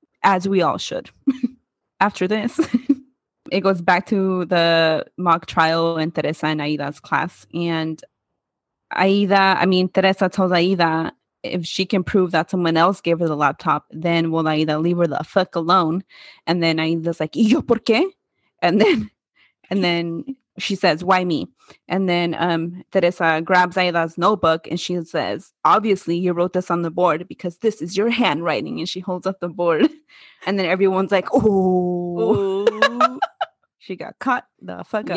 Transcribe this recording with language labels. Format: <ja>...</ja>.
<en>As we all should. After this, it goes back to the mock trial in Teresa and Aida's class. And Teresa tells Aida, if she can prove that someone else gave her the laptop, then will Aida leave her the fuck alone? And then Aida's like,</en> <es>¿y yo por qué?</es> <en>And then she says, why me? And then Teresa grabs Aida's notebook and she says, obviously you wrote this on the board because this is your handwriting. And she holds up the board. And then everyone's like, oh. She got caught the fuck up.</en>